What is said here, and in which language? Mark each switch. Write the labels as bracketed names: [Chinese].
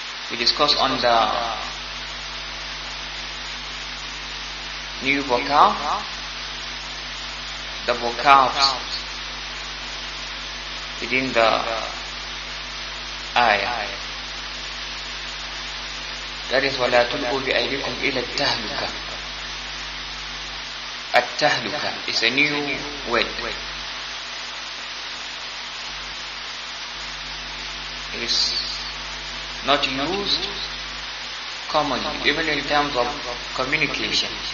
[English] We discuss on the new vocal, the vocals within the ayah. That is [Arabic] وَلَا تُلْقُوا بِأَيْدِكُمْ إِلَى التَّهْلُكَةِ. [English] التَّهْلُكَة is a new word. It is not used commonly, even in terms of communication.